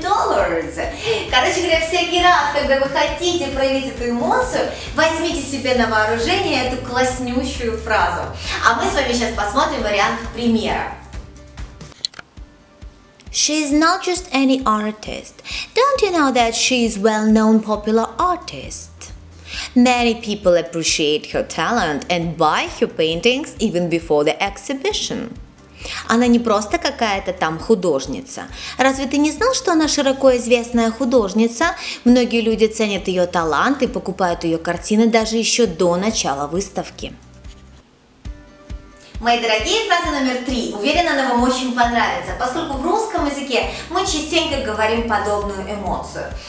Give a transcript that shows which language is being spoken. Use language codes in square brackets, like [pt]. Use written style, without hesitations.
[ru] Короче говоря, всякий раз, когда вы хотите проявить эту эмоцию, возьмите себе на вооружение эту класснющую фразу. А мы с вами сейчас посмотрим вариант примера. [en] She is not just any artist. Don't you know that she is well-known popular artist? Many people appreciate her talent and buy her paintings even before the exhibition. [ru] Она не просто какая-то там художница. Разве ты не знал, что она широко известная художница? Многие люди ценят ее талант и покупают ее картины даже еще до начала выставки. Мои дорогие, фраза номер три. Уверена, она вам очень понравится, поскольку в русском языке мы частенько говорим подобную эмоцию.